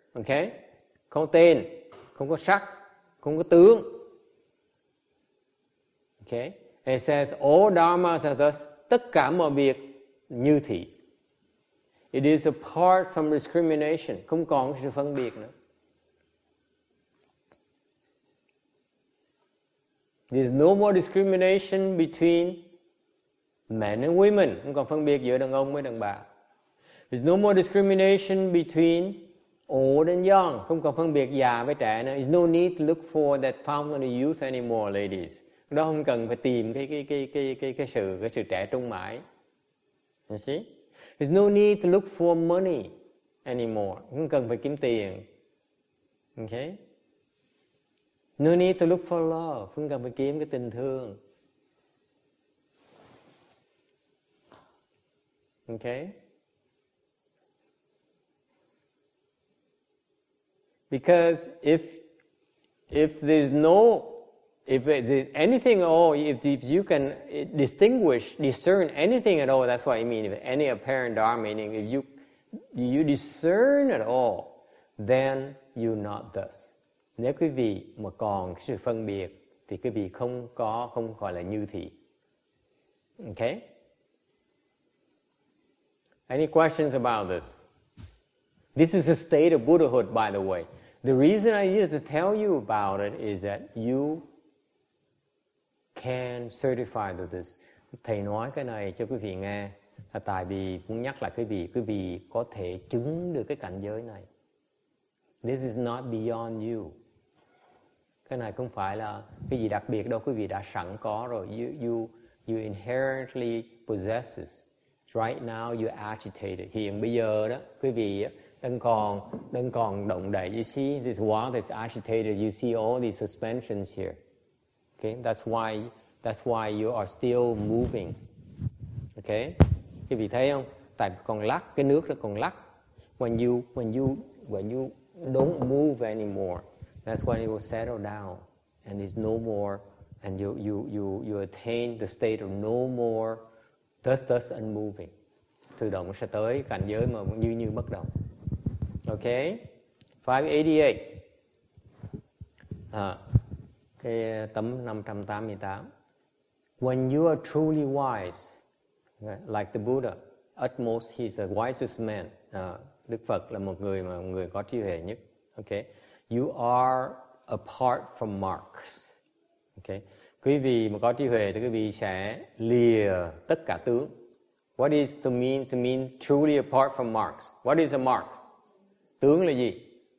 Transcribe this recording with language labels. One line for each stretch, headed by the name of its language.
English: Okay?
Vietnamese: Không tên, không có sắc, không có tướng.
English: Okay? He says, all dharmas are thus,
Vietnamese: tất cả mọi việc như thị.
English: It is apart from discrimination.
Vietnamese: Không còn sự phân biệt nữa.
English: There's no more discrimination between men and women.
Vietnamese: Không còn phân biệt giữa đàn ông với đàn bà.
English: There's no more discrimination between old and young.
Vietnamese: Không còn phân biệt già với trẻ nữa.
English: There's no need to look for that fountain of youth anymore, ladies.
Vietnamese: Đó không cần phải tìm cái sự trẻ trung mãi.
English: You see? There's no need to look for money anymore.
Vietnamese: Không cần phải kiếm tiền.
English: Okay? No need to look for love.
Vietnamese: Không cần phải kiếm cái tình thương.
English: Okay? Because if you can discern anything at all, that's what I mean. If any apparent dharma, meaning if you discern at all, then you're not thus.
Vietnamese: Nếu quý vị mà còn sự phân biệt thì quý vị không gọi là như thị.
English: Okay? Any questions about this? This is the state of Buddhahood, by the way. The reason I need to tell you about it is that you can certify to this.
Vietnamese: Thầy nói cái này cho quý vị nghe là tại vì muốn nhắc lại quý vị có thể chứng được cái cảnh giới này.
English: This is not beyond you.
Vietnamese: Cái này không phải là cái gì đặc biệt đâu, quý vị đã sẵn có rồi.
English: You inherently possess this. Right now you agitated.
Vietnamese: Hiện bây giờ đó, quý vị đang còn động đậy.
English: You see this world is agitated. You see all these suspensions here. Okay, that's why you are still moving.
Vietnamese: Okay, quý vị thấy không? Tại còn lắc, cái nước nó còn lắc.
English: When you don't move anymore. That's when it will settle down, and it's no more, and you attain the state of no more, thus unmoving.
Vietnamese: Tự động sẽ tới cảnh giới mà như bất động. Okay, 588. À, cái tấm 588.
English: When you are truly wise, like the Buddha, at most he's the wisest man.
Vietnamese: À, Đức Phật là một người có trí huệ nhất. Okay.
English: You are apart from marks. Okay.
Vietnamese: Quý vị mà có trí huệ thì quý vị sẽ lìa tất cả tướng.
English: What is to mean? To mean truly apart from marks. What is a mark?
Vietnamese: Tướng là gì?